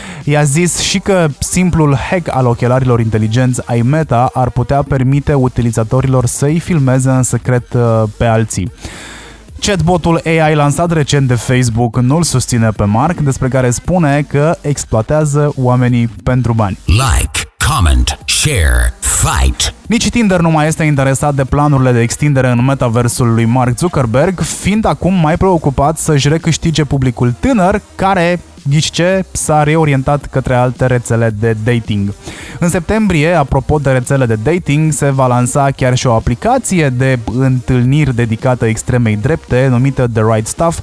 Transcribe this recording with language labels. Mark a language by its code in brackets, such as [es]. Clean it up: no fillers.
[ro] I-a zis și că simplul hack al ochelarilor inteligenți ai Meta ar putea permite utilizatorilor să-i filmeze în secret pe alții. Chatbotul AI lansat recent de Facebook nu-l susține pe Mark, despre care spune că exploatează oamenii pentru bani. [en] Like, comment, share, fight. [ro] Nici Tinder nu mai este interesat de planurile de extindere în metaversul lui Mark Zuckerberg, fiind acum mai preocupat să-și recâștige publicul tânăr, care, ghici ce, s-a reorientat către alte rețele de dating. În septembrie, apropo de rețele de dating, se va lansa chiar și o aplicație de întâlniri dedicată extremei drepte, numită The Right Stuff.